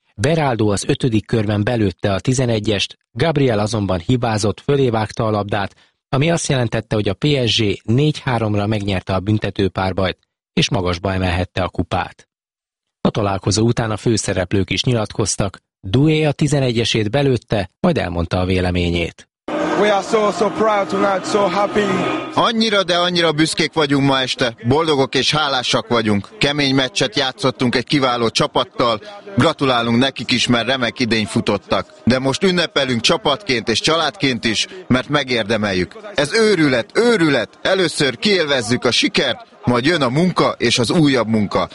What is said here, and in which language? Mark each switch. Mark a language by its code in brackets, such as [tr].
[hu] Beraldo az 5. körben belőtte a 11-est, Gabriel azonban hibázott, fölévágta a labdát, ami azt jelentette, hogy a PSG 4-3-ra megnyerte a büntetőpárbajt, és magasba emelhette a kupát. A találkozó után a főszereplők is nyilatkoztak, Doué a 11-esét belőtte, majd elmondta a véleményét. [en] We are so, so proud tonight, so happy. [hu] Annyira, de annyira büszkék vagyunk ma este, boldogok és hálásak vagyunk. Kemény meccset játszottunk egy kiváló csapattal, gratulálunk nekik is, mert remek idény futottak. De most ünnepelünk csapatként és családként is, mert megérdemeljük. Ez őrület, őrület, először kiélvezzük a sikert, majd jön a munka és az újabb munka.